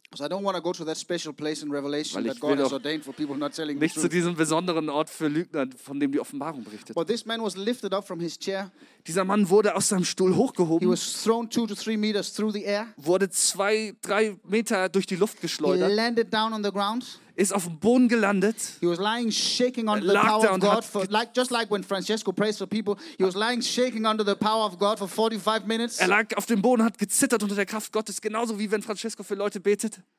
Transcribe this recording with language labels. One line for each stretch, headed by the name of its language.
English: Because I don't want to go to that special place in Revelation that God has ordained for people not telling
German: nicht zu diesem besonderen Ort für Lügner, von dem die Offenbarung berichtet.
English: But this man was lifted up from his chair.
German: Dieser Mann wurde aus seinem Stuhl hochgehoben.
English: He was thrown 2 to 3 meters through the air.
German: Wurde 2-3 Meter durch die Luft geschleudert.
English: He landed down on the ground.
German: Ist auf dem Boden gelandet.
English: He was lying shaking under the power of God for like just like when Francesco prays for people. He was lying shaking under the power of God for 45 minutes.
German: Er lag auf dem Boden, hat gezittert unter der Kraft Gottes, genauso wie wenn Francesco für Leute betet.